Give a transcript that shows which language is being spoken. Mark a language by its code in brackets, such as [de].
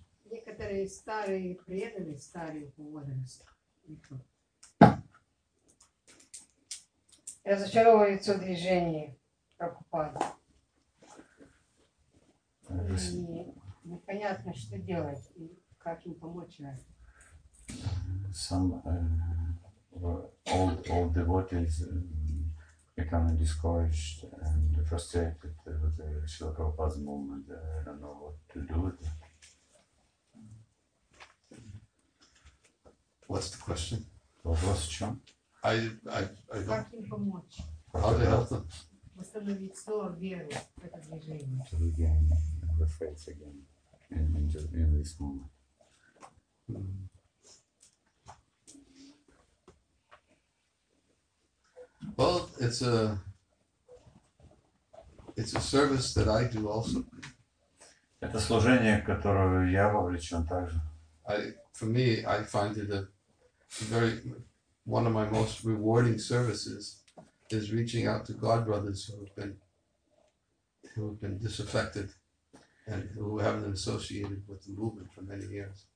[ru] Некоторые старые преданы, старые по возрасту, разочаровываются в движении Прабхупады. И непонятно, что делать и как им помочь. [en] Some old devotees become discouraged and frustrated with the Srila Prabhupada's movement. I don't know what to do with it. What's the question? What was the question? I don't... How to help them? To regain the faith again in this moment. Well, it's a service that I do also. [ru] Это служение, в которое я вовлечен также. [en] For me, I find it one of my most rewarding services is reaching out to God brothers who have been disaffected and who haven't been associated with the movement for many years.